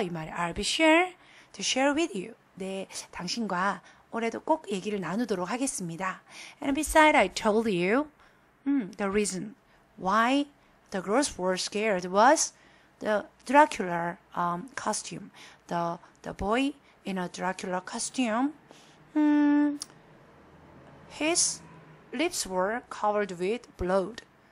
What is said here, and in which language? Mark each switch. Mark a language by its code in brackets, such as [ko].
[ko] 이 말에 [en] I'll be sure to share with you. [ko] 네, 당신과 올해도 꼭 얘기를 나누도록 하겠습니다. [en] And beside, I told you, the reason why the girls were scared was the Dracula costume. The boy in a Dracula costume. His lips were covered with blood.